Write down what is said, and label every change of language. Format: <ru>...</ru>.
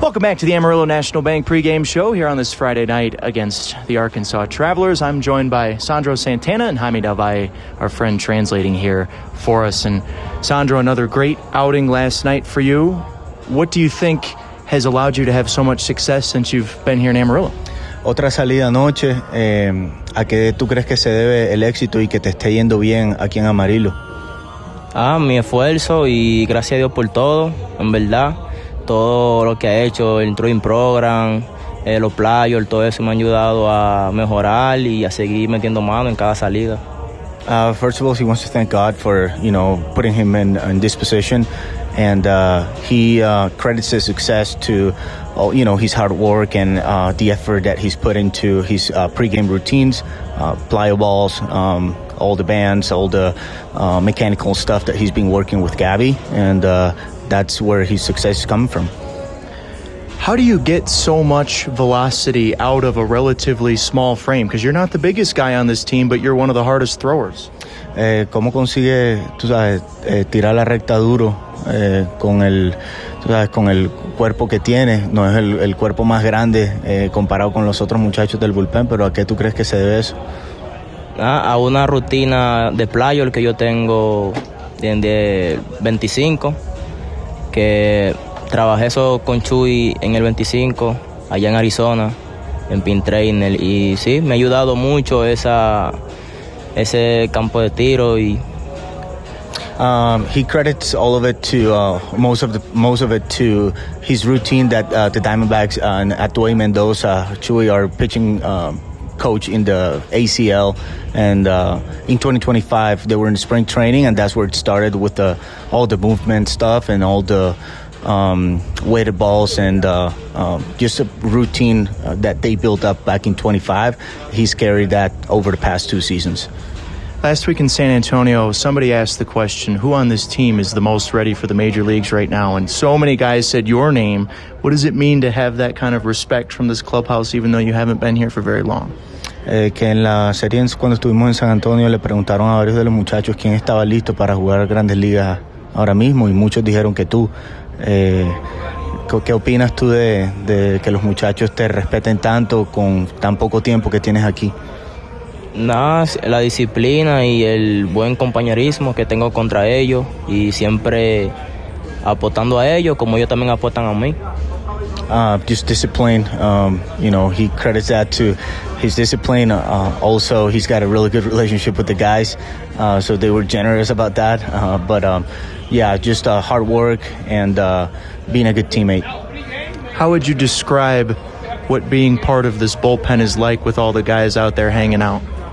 <en>Welcome back to the Amarillo National Bank pregame show here on this Friday night against the Arkansas Travelers. I'm joined by Sandro Santana and Jaime Del Valle, our friend translating here for us. And Sandro, another great outing last night for you. What do you think has allowed you to have so much success since you've been here in Amarillo?</en> <es>Otra salida anoche. ¿A qué tú crees que se debe el éxito y que te esté yendo bien aquí en Amarillo? Mi esfuerzo y gracias a Dios por todo, en verdad. Todo lo que ha hecho, el</es> <en>training program,</en> <es>los players, todo eso me ha ayudado a mejorar y a seguir metiendo mano en cada salida.</es> <en>First of all, he wants to thank God for, you know, putting him in this position. And he credits his success to, you know, his hard work and the effort that he's put into his pregame routines, plyoballs, all the bands, all the mechanical stuff that he's been working with Gabby. And that's where his success has come from. How do you get so much velocity out of a relatively small frame? Because you're not the biggest guy on this team, but you're one of the hardest throwers.</en> <es>¿Cómo consigue, tú sabes, tirar la recta duro con el, tú sabes, con el cuerpo que tiene? No es el cuerpo más grande comparado con los otros muchachos del bullpen, pero ¿a qué tú crees que se debe eso? A una rutina de playo, el que yo tengo de 25, que trabajé eso con Chuy en el 25, allá en Arizona, en Pin Trainer, y sí, me ha ayudado mucho ese campo de tiro. Y</es> <en>He credits all of it to most of it to his routine that the Diamondbacks and Atuey Mendoza, Chuy, are pitching coach in the ACL. And in 2025 they were in spring training, and that's where it started with all the movement stuff and all the weighted balls and just a routine that they built up back in 25. He's carried that over the past two seasons. Last week in San Antonio, somebody asked the question, who on this team is the most ready for the major leagues right now? And so many guys said your name. What does it mean to have that kind of respect from this clubhouse, even though you haven't been here for very long?</en> <es>Que en la serie, cuando estuvimos en San Antonio, le preguntaron a varios de los muchachos quién estaba listo para jugar grandes ligas ahora mismo, y muchos dijeron que tú. ¿Qué opinas tú de que los muchachos te respeten tanto con tan poco tiempo que tienes aquí? La disciplina y el buen compañerismo que tengo contra ellos, y siempre apostando a ellos como ellos también apuestan a mí.</es> <en>Just discipline. You know, he credits that to his discipline. Also, he's got a really good relationship with the guys, so they were generous about that. But hard work and being a good teammate. How would you describe what being part of this bullpen is like with all the guys out there hanging out?</en>